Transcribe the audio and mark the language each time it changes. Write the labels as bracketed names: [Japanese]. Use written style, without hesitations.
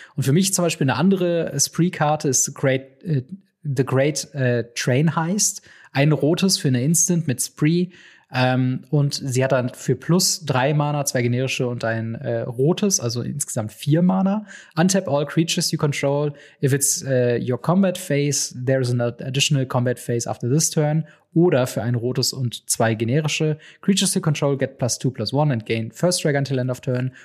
[German] Und für mich zum Beispiel eine andere Spree-Karte ist The Great Train Heist. Ein rotes für eine Instant mit Spree. Und sie hat dann für plus 3 Mana, 2 generische und ein rotes, also insgesamt 4 Mana. [English] Untap all creatures you control. If it's your combat phase, there is an additional combat phase after this turn. [German] Oder für ein rotes und 2 generische. [English] Creatures you control get plus 2, plus 1 and gain first strike until end of turn.